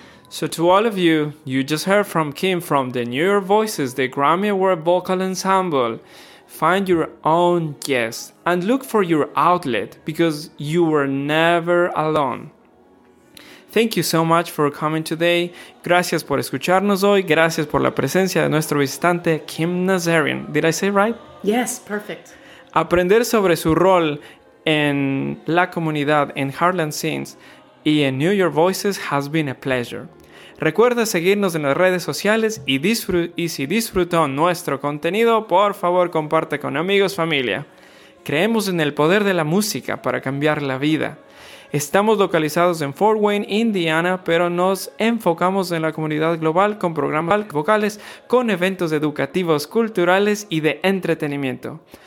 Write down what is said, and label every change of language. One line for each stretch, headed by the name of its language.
English: So to all of you, you just heard from Kim from the New Year Voices, the Grammy Award Vocal Ensemble. Find your own yes and look for your outlet, because you were never alone. Thank you so much for coming today.
Spanish: Gracias por escucharnos hoy. Gracias por la presencia de nuestro visitante Kim Nazarian.
English: Did I say right? Yes, perfect.
Spanish: Aprender sobre su rol en la comunidad en Heartland Scenes Y en
English: New Your Voices has been a pleasure.
Spanish: Recuerda seguirnos en las redes sociales y si disfrutó nuestro contenido, por favor comparte con amigos, familia. Creemos en el poder de la música para cambiar la vida. Estamos localizados en Fort Wayne, Indiana, pero nos enfocamos en la comunidad global con programas vocales, con eventos educativos, culturales y de entretenimiento.